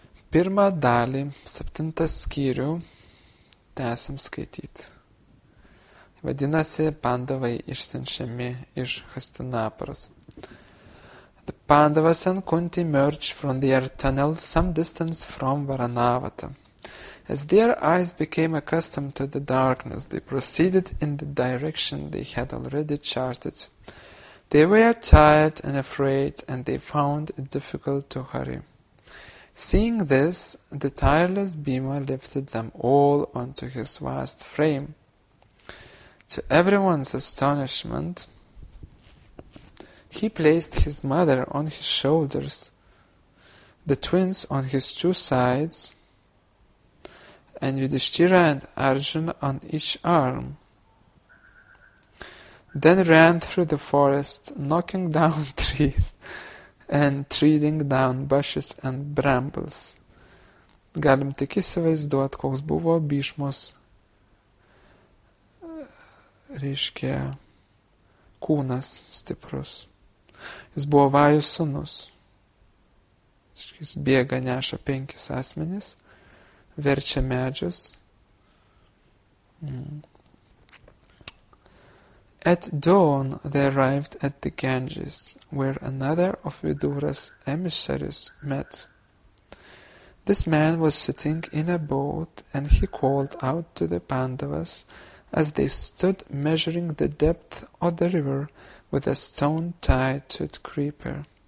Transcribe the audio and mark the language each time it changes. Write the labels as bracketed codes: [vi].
[lt] Pirmą dalį, septintas skyrių, tęsim skaityti. Vadinasi, pandavai išsiunčiami iš Hastinapuros. [en] The Pandavas and Kunti emerged from their tunnel some distance from Varanavata. As their eyes became accustomed to the darkness, they proceeded in the direction they had already charted. They were tired and afraid, and they found it difficult to hurry. Seeing this, the tireless Bhima lifted them all onto his vast frame. To everyone's astonishment, he placed his mother on his shoulders, the twins on his two sides, and Yudhishthira and Arjuna on each arm, then ran through the forest, knocking down trees and treading down bushes and brambles. [lt] Galim tik įsivaizduot, koks buvo Bhishmos reiškia kūnas stiprus. Jis buvo Vajus sūnus. Jis bėga, neša penkis asmenis, verčia medžius. [en] At dawn they arrived at the Ganges, where another of Vidura's emissaries met. This man was sitting in a boat, and he called out to the Pandavas as they stood measuring the depth of the river with a stone tied to its creeper.